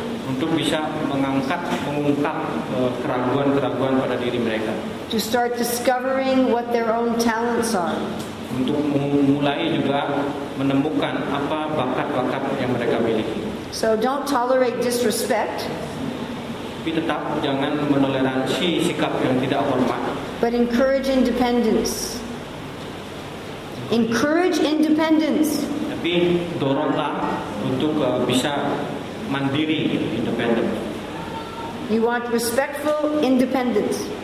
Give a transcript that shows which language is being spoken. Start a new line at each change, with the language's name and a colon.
Indonesian: Untuk bisa mengungkap keraguan-keraguan pada diri mereka.
English: To start discovering what their own talents are.
Indonesian: Untuk mulai juga menemukan apa bakat-bakat yang mereka miliki.
English: So don't tolerate disrespect.
Indonesian: Tapi tetap jangan menoleransi sikap yang tidak hormat.
English: But encourage independence. Encourage independence.
Indonesian: Tapi doronglah untuk bisa mandiri, independent.
English: You want respectful independence.